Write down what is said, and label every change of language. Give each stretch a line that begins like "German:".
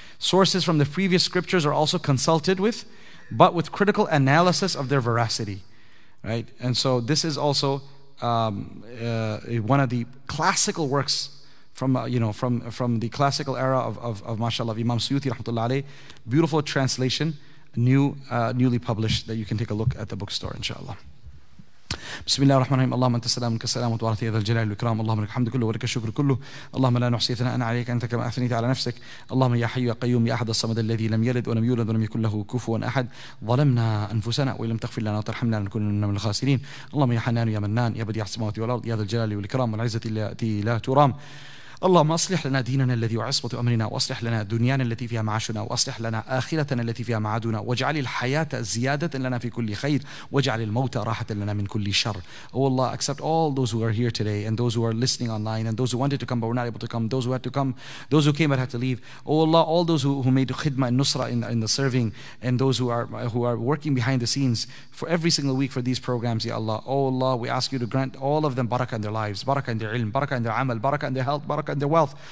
English: Sources from the previous scriptures are also consulted with, but with critical analysis of their veracity, right? And so this is also one of the classical works from from the classical era of mashallah, Imam Suyuti rahmatullah alayh, beautiful translation, newly published, that you can take a look at the bookstore inshallah.
Arabic: بسم الله الرحمن الرحيم اللهم انت السلام انك السلام وتورثت يا ذا الجلال والاكرام اللهم لك الحمد كله ولك الشكر كله اللهم لا نحصي ثناءا عليك انت كما اثنيت على نفسك اللهم يا حي يا قيوم يا احد الصمد الذي لم يلد ولم يولد ولم يكن له كفوا احد ظلمنا انفسنا وان لم تغفر لنا وترحمنا لنكونن من الخاسرين اللهم يا حنان يا منان يا بديع السماوات والارض يا ذا الجلال والاكرام والعزه التي لا ترام اللهم اصلح لنا ديننا الذي وعصمة امرنا واصلح لنا دنيانا التي فيها معاشنا واصلح لنا اخرتنا التي فيها معادنا واجعل الحياه زياده لنا في كل خير واجعل الموت راحه لنا من كل شر.
English: Oh Allah, accept all those who are here today and those who are listening online and those who wanted to come but were not able to come, those who had to come, those who came but had to leave. Oh Allah, all those who made khidma and nusra in the serving and those who are working behind the scenes for every single week for these programs, ya Allah. Oh Allah, we ask you to grant all of them barakah in their lives, barakah in their ilm, barakah in their amal, barakah in their health, barakah and their wealth.